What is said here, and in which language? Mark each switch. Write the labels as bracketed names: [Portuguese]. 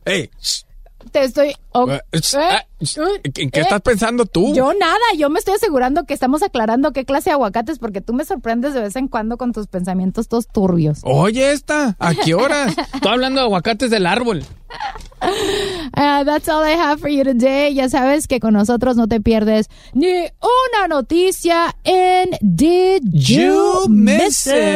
[Spanish] ¡Ey! Te estoy... ¿En qué estás pensando tú? Yo nada, yo me estoy asegurando que estamos aclarando qué clase de aguacates, porque tú me sorprendes de vez en cuando con tus pensamientos todos turbios. Oye, esta, ¿a qué horas? Estoy hablando de aguacates del árbol. [English] That's all I have for you today. [Spanish] Ya sabes que con nosotros no te pierdes ni una noticia en Did You Miss It?